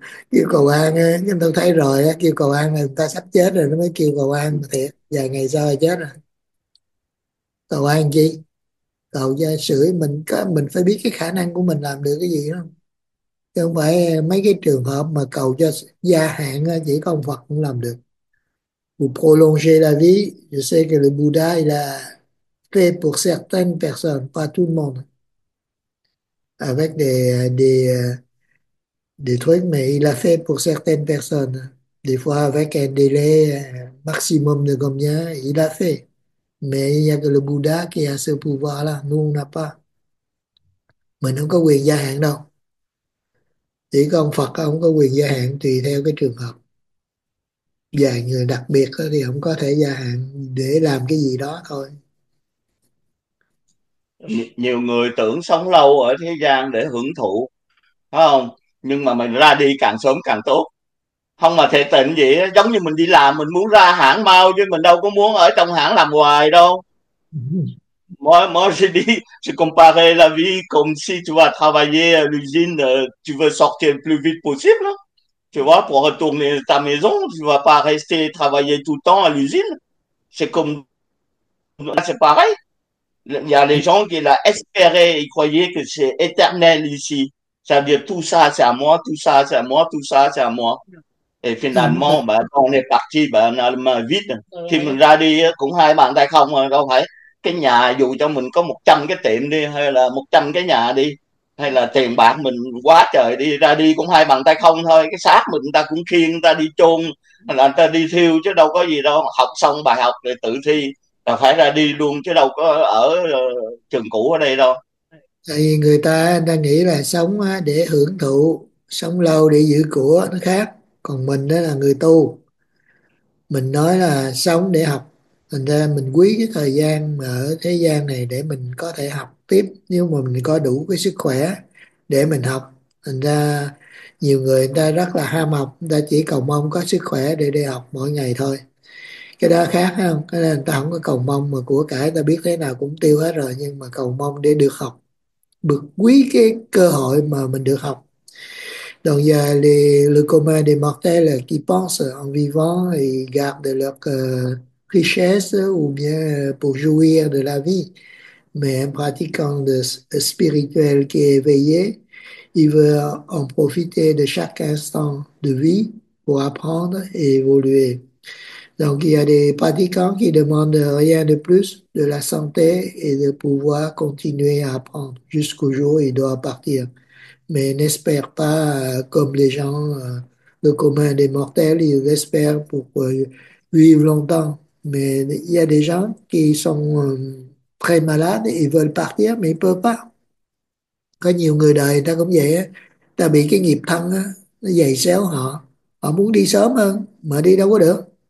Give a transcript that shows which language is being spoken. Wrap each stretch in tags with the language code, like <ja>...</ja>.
<vi>Kêu cầu an á, chúng tôi thấy rồi á, kêu cầu an là người ta sắp chết rồi nó mới kêu cầu an thiệt, vài ngày sau là chết rồi cầu an chi, cầu cho sưởi mình, có mình phải biết cái khả năng của mình làm được cái gì đó, chứ không phải mấy cái trường hợp mà cầu cho gia hạn chỉ có ông Phật cũng làm được.</vi> <fr>Vous prolongez la vie, je sais que le Bouddha il a fait pour certaines personnes, pas tout le monde, avec des des trucs, mais il a fait pour certaines personnes. Des fois, avec un délai maximum de combien, il a fait. Mais il n'y a que le Bouddha qui a ce pouvoir-là. Nous, on n'a pas.</fr> <vi>Mình không có quyền gia hạn đâu. Chỉ có ông Phật không có quyền gia hạn tùy theo cái trường hợp. Dạy người đặc biệt thì không có thể gia hạn để làm cái gì đó thôi. Nhiều người tưởng sống lâu ở thế gian để hưởng thụ, phải không? Nhưng mà mình ra đi càng sớm càng tốt. Không mà thiệt tình gì đó, giống như mình đi làm, mình muốn ra hãng mau chứ mình đâu có muốn ở trong hãng làm hoài đâu.</vi> <fr>Moi, j'ai dit, je comparais la vie comme si tu vas travailler à l'usine, tu veux sortir le plus vite possible, hein? Tu vois, pour retourner à ta maison, tu vas pas rester travailler tout le temps à l'usine. C'est comme, c'est pareil. Il y a des gens qui l'a espéré, ils croyaient que c'est éternel ici. Ça veut dire tout ça, c'est à moi, tout ça, c'est à moi, tout ça, c'est à moi. Et finalement, ben, on est parti, ben, on a la main vide.</fr> <vi>Khi mình ra đi, cũng hai bàn tay không, đâu phải cái nhà, dù cho mình có 100 cái tiệm đi, hay là 100 cái nhà đi, hay là tiền bạc mình quá trời đi, ra đi cũng hai bàn tay không thôi. Cái xác mình ta cũng khiêng, người ta đi chôn, là người ta đi thiêu chứ đâu có gì đâu. Học xong bài học để tự thi, là phải ra đi luôn chứ đâu có ở trường cũ ở đây đâu. Thì người ta đang nghĩ là sống để hưởng thụ, sống lâu để giữ của, nó khác. Còn mình đó là người tu, mình nói là sống để học. Thành ra mình quý cái thời gian mà ở thế gian này để mình có thể học tiếp, nếu mà mình có đủ cái sức khỏe để mình học. Thành ra nhiều người ta rất là ham học, người ta chỉ cầu mong có sức khỏe để đi học mỗi ngày thôi. Cái đó khác không, cái đó người ta không có cầu mong, mà của cải ta biết thế nào cũng tiêu hết rồi, nhưng mà cầu mong để được học, bực quý cái cơ hội mà mình được học.</vi> <fr>Donc</fr> <vi>giờ thì</vi> <fr>le commun des mortels qui pense en vivant et garde leur richesse ou bien pour jouir de la vie, mais un pratiquant de spirituel qui est éveillé, il veut en profiter de chaque instant de vie pour apprendre et évoluer. Donc il y a des pratiquants qui demandent rien de plus de la santé et de pouvoir continuer à apprendre jusqu'au jour où ils doivent partir. Mais n'espère pas comme les gens, le commun des mortels, ils espèrent pour vivre longtemps. Mais il y a des gens qui sont très malades et veulent partir, mais ils ne peuvent pas.</fr> <vi>Có nhiều người đời ta cũng vậy á, ta bị cái nghiệp thân á, nó giày xéo họ. Họ muốn đi sớm hơn, mà đi đâu có được.</vi>